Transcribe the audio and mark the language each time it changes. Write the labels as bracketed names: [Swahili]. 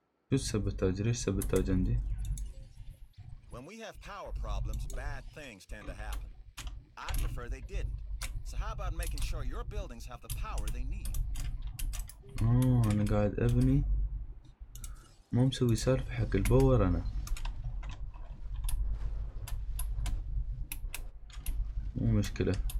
[Arabic] شو السبوتاج؟ ليش سبوتاج عندي؟ [English] When we have power problems, bad things tend to happen. I prefer they didn't. So how about making sure your buildings have the power they need? [Arabic] أنا قاعد أبني. مو مسوي سالفة حق الباور أنا. مو مشكلة.